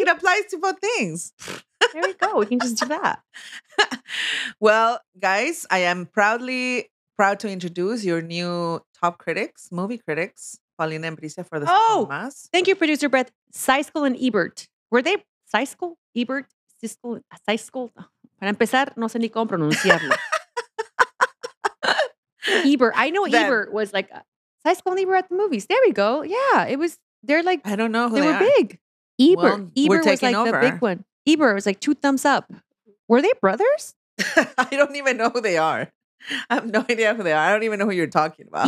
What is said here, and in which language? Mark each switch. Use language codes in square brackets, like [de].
[en] It applies to both things. There we go. We can just do that. Well, guys, I am proud to introduce your new top critics, movie critics, Paulina and Brisa for the Thomas. Thank you, producer Beth. Seiskel and Ebert. Were they Seiskel? Ebert? Siskel? Seiskel? [es] Para empezar, no sé ni cómo pronunciarlo. [en] Ebert. I know that, Ebert was like, Seiskel and Ebert at the movies. There we go. Yeah, it was, they're like, I don't know who they were big. Ebert. Well, Ebert was like over. The big one. Ebert was like two thumbs up. Were they brothers? I don't even know who they are. I have no idea who they are. I don't even know who you're talking about.